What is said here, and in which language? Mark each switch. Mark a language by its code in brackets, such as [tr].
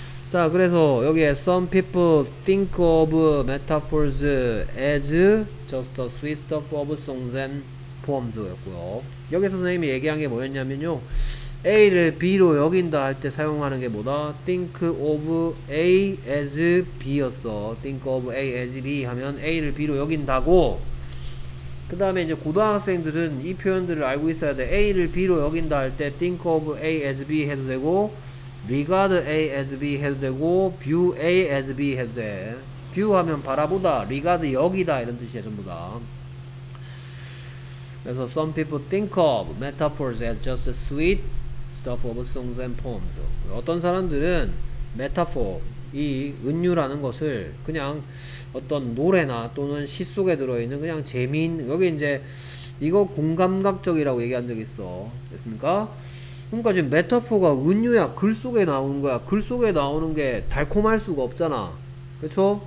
[ko] 자, 그래서 여기에 [en] some people think of metaphors as just a sweet stuff of songs and poems 였고요. [ko] 여기서 선생님이 얘기한 게 뭐였냐면요. A를 B로 여긴다 할때 사용하는 게 뭐다? [en] Think of A as B였어. Think of A as B [ko] 하면 A를 B로 여긴다고. 그 다음에 이제 고등학생들은 이 표현들을 알고 있어야 돼. A를 B로 여긴다 할때 [en] Think of A as B [ko] 해도 되고, [en] Regard A as B [ko] 해도 되고, [en] View A as B [ko] 해도 돼. View 하면 바라보다, Regard 여기다 이런 뜻이야 전부 다. [en] 그래서 Some people think of metaphors as just a sweet stuff of songs and poems. [ko] 어떤 사람들은 메타포, 이 은유라는 것을 그냥 어떤 노래나 또는 시 속에 들어있는 그냥 재미있는 여기 이제 이거 공감각적이라고 얘기한 적 있어. 됐습니까? 그러니까 지금 메타포가 은유야. 글 속에 나오는 거야. 글 속에 나오는 게 달콤할 수가 없잖아. 그렇죠?